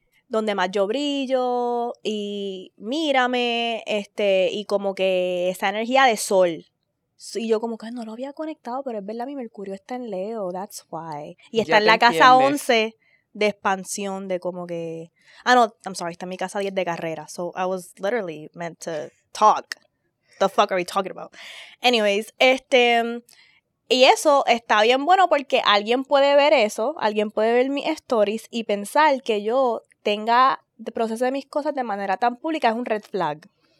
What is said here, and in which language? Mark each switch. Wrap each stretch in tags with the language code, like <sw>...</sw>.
<es>donde más yo brillo y mírame, y como que esa energía de sol. Y yo como que no lo había conectado, pero es verdad, mi Mercurio está en Leo,</es> <en>that's why.</en> <es>Y está ya en la casa 11 de expansión, de como que... Ah, no,</es> <en>I'm sorry,</en> <es>está en mi casa 10 de carrera,</es> <en>so I was literally meant to talk. The fuck are we talking about? Anyways,</en> <es>y eso está bien bueno porque alguien puede ver eso, alguien puede ver mis stories y pensar que yo tenga el proceso de mis cosas de manera tan pública es un red flag.</es>